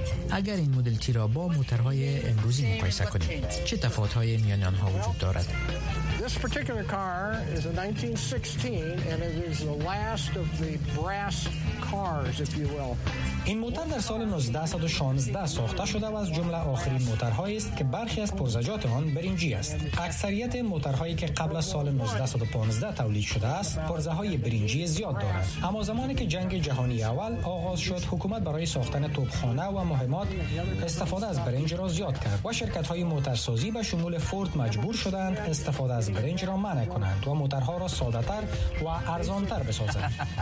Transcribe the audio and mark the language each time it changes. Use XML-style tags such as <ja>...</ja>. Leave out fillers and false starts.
<fa>اگر این مدل تی را با موترهای امروزی مقایسه کنیم، چه تفاوت های میان آنها وجود دارد؟</fa> <en>This particular car is a 1916 and it is the last of the brass cars, if you will.</en> <fa>این موتر در سال 1916 ساخته شده و از جمله آخرین موترهایی است که برخی از پرزجات آن برنجی است. اکثریت موترهایی که قبل از سال 1915 تولید شده است پرزه های برنجی زیاد دارند. اما زمانی که جنگ جهانی اول آغاز شد، حکومت برای ساختن توپخانه و مهمات استفاده از برنج را زیاد کرد و شرکت های موترسازی به شمول فورد مجبور شدند استفاده از برنج را منع کنند و موترها را ساده تر و ارزان تر بسازند.</fa>